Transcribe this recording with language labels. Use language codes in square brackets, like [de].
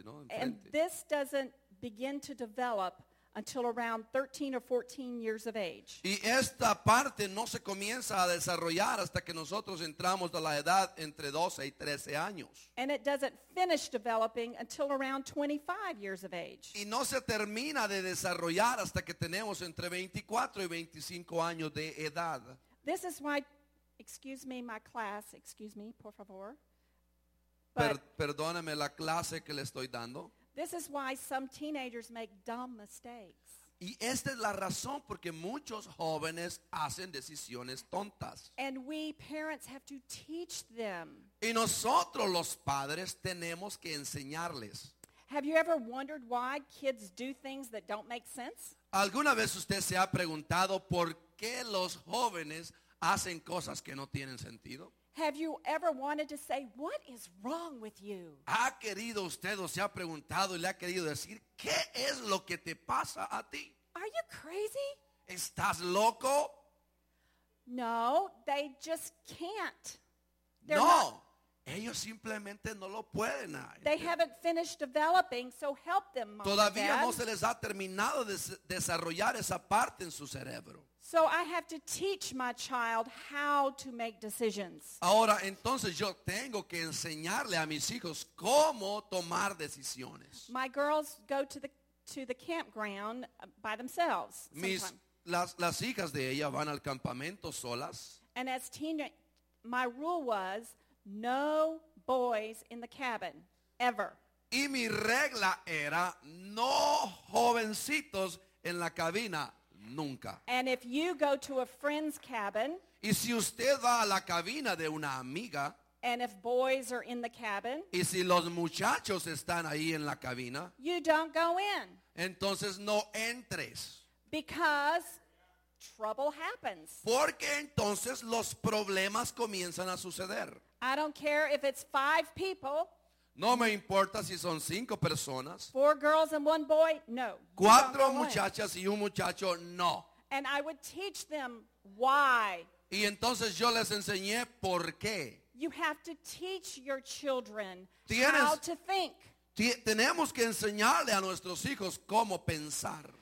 [en] And this doesn't begin to develop until around 13 or 14 years of age. [es] Y esta parte no se comienza a desarrollar hasta que nosotros entramos a la edad entre 12 y 13 años. [en] And it doesn't finish developing until around 25 years of age. [es] Y no se termina de desarrollar hasta que tenemos entre 24 y 25 años de edad. [en] This is why, excuse me, [es] por favor. Perdóname la clase que le estoy dando. [en] This is why some teenagers make dumb mistakes. [es] Y esta es la razón porque muchos jóvenes hacen decisiones tontas. [en] And we parents have to teach them. [es] Y nosotros los padres tenemos que enseñarles. [en] Have you ever wondered why kids do things that don't make sense? [es] ¿Alguna vez usted se ha preguntado por qué los jóvenes hacen cosas que no tienen sentido? [en] Have you ever wanted to say, what is wrong with you? [es] ¿Ha querido usted o se ha preguntado y le ha querido decir, qué es lo que te pasa a ti? [en] Are you crazy? [es] ¿Estás loco? [en] No, they just can't. They're no, not, [es] ellos simplemente no lo pueden. [en] They haven't finished developing, so help them, mom. [es] Todavía no se les ha terminado de desarrollar esa parte en su cerebro. [en] So I have to teach my child how to make decisions. [es] Ahora, entonces yo tengo que enseñarle a mis hijos cómo tomar decisiones. [en] My girls go to the campground by themselves. [es] Las hijas de ella van al campamento solas. [en] And as teenager, my rule was no boys in the cabin, ever. [es] Y mi regla era no jovencitos en la cabina. Nunca. [en] And if you go to a friend's cabin, [es] y si usted va a la cabina de una amiga, [en] And if boys are in the cabin, [es] y si los muchachos están ahí en la cabina, [en] you don't go in. [es] Entonces no entres. [en] Because trouble happens. [es] Porque entonces los problemas comienzan a suceder. [en] I don't care if it's five people. [es] No me importa si son cinco personas. [en] Four girls and one boy, no. [es] Cuatro muchachas y un muchacho, no. [en] And I would teach them why. [es] Y entonces yo les enseñé por qué. [en] You have to teach your children how to think. [es] Tenemos que enseñarle a nuestros hijos cómo pensar.